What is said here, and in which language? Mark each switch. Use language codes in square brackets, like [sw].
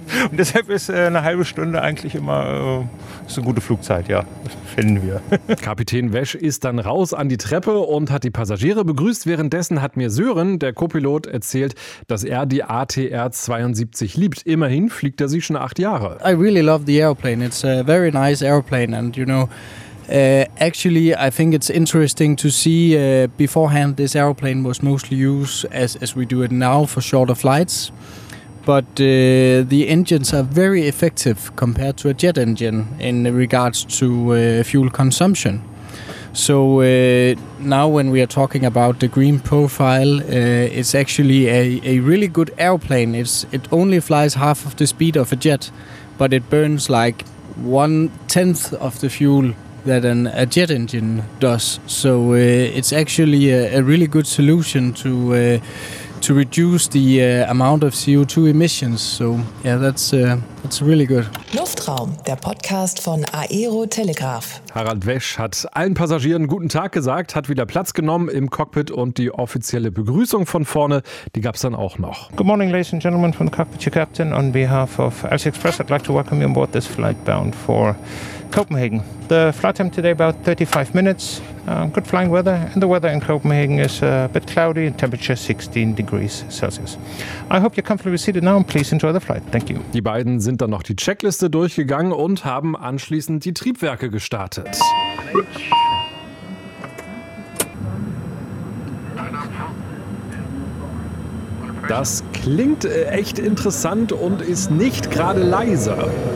[de] Und deshalb ist eine halbe Stunde eigentlich immer so eine gute Flugzeit, ja, finden wir. Kapitän Wesch ist dann raus an die Treppe und hat die Passagiere begrüßt. Währenddessen hat mir Sören, der Co-Pilot, erzählt, dass er die ATR 72 liebt. Immerhin fliegt er sie schon 8 Jahre. [en] I really love the airplane. It's a very nice airplane, and you know, actually, I think it's interesting to see beforehand this airplane was mostly used as we do it now for shorter flights. But the engines are very effective compared to a jet engine in regards to fuel consumption. So now when we are talking about the green profile, it's actually a really good airplane. It only flies half of the speed of a jet, but it burns like 1/10 of the fuel that a jet engine does. So it's actually a really good solution to reduce the amount of CO2 emissions. So yeah, that's really good. [de] Luftraum, der Podcast von Aero Telegraph. Harald Wesch hat allen Passagieren guten Tag gesagt, hat wieder Platz genommen im Cockpit, und die offizielle Begrüßung von vorne, die gab es dann auch noch. [en] Good morning, ladies and gentlemen, from the cockpit, your captain. On behalf of AlsiExpress, I'd like to welcome you on board this flight bound for Copenhagen. The flight time today about 35 minutes. Good flying weather, and the weather in Copenhagen is a bit cloudy, temperature 16 degrees Celsius. I hope you're comfortably seated now and please enjoy the flight. Thank you. [de] Die beiden sind dann noch die Checkliste durchgegangen und haben anschließend die Triebwerke gestartet. Das klingt echt interessant und ist nicht gerade leiser.